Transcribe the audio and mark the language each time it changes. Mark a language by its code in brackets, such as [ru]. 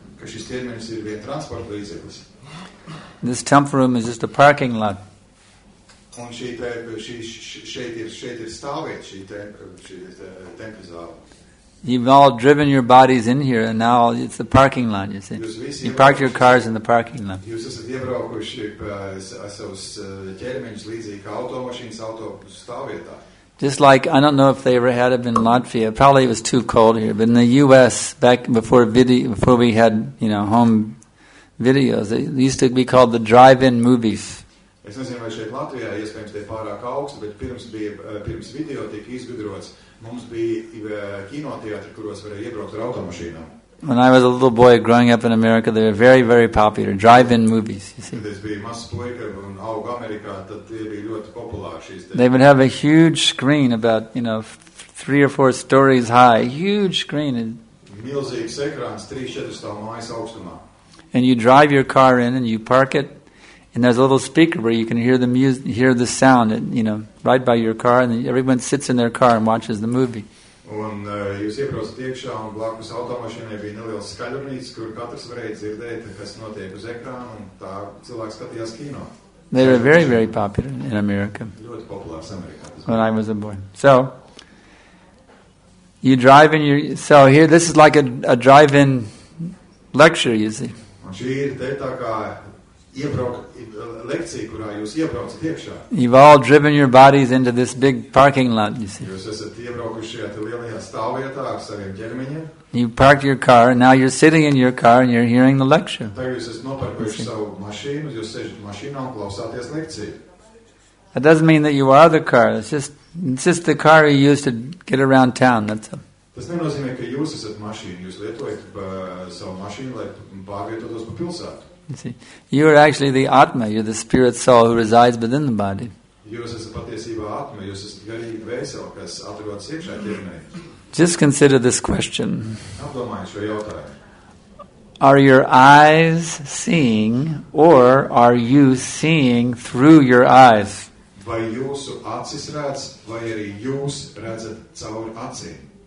[lv] ka šis ķermenis ir vien transporta līdzeklis, [en] this temple room is just a parking lot, [lv] un šeit ir stāvvieta, šī tempļa zāle. [en] You've all driven your bodies in here, and now it's the parking lot, you see. You parked your cars in the parking lot. [lv] Jūs esat iebraukuši savus ķermeņus līdzīgi automašīnas autostāvvietā. [en] Just like, I don't know if they ever had it in Latvia, probably it was too cold here, but in the U.S., back before we had, you know, home videos, it used to be called the drive-in movies. [lv] Es nezinu, vai šeit Latvijā iespējams tie pārāk augsti, bet pirms video tika izgudrots, mums bija kinoteātri, kuros varēja iebraukt ar automašīnām. [en] When I was a little boy growing up in America, they were very, very popular, drive-in movies, you see. [lv] Kad es biju mazs puika un augu Amerikā, tad tie bija ļoti populāri šīs. [en] They would have a huge screen about, you know, 3 or 4 stories high, huge screen. [lv] Milzīgs ekrāns, 3-4 stāvu mājas augstumā. [en] And you drive your car in and you park it. And there's a little speaker where you can hear the music, hear the sound, and, you know, right by your car, and everyone sits in their car and watches the movie. [lv] Un jūs iebraucat iekšā, un blakus automašīnai bija neliels skaļrunītis, kur katrs varēja dzirdēt, kas notiek uz ekrāna, un tā cilvēks skatījās kino. [en] They were very, very popular in America. [lv] Ļoti populārs Amerikā. [en] When I was a boy. So, you drive in your, so here, this is like a drive-in lecture, you see. [lv] Un šī ir te tā kā lekcija, kurā jūs iebraucat iekšā. [en] You've all driven your bodies into this big parking lot, you see. [lv] Jūs esat iebraukuši šajā lielajā stāvvietā ar saviem ķermeņiem. [en] You parked your car, and now you're sitting in your car, and you're hearing the lecture. [lv] Tagad jūs esat noparkojuši savu mašīnu, jūs sēžat mašīnā un klausāties lekciju. [en] That doesn't mean that you are the car. It's just the car you use to get around town. That's all. [lv] Tas nenozīmē, ka jūs esat mašīna. Jūs lietojat savu mašīnu, lai pārvietotos pa pilsētu. [en] You see, you are actually the Atma, you're the spirit soul who resides within the body. [lv] Jūs esat patiesībā Atma, jūs esat garīga vēsela, kas atrodas iekšā ķermenī. [en] Just consider this question. [lv] Apdomāju šo jautājumu. [en] Are your eyes seeing, or are you seeing through your eyes? [lv] Vai jūsu acis redz, vai arī jūs redzat caur acīm?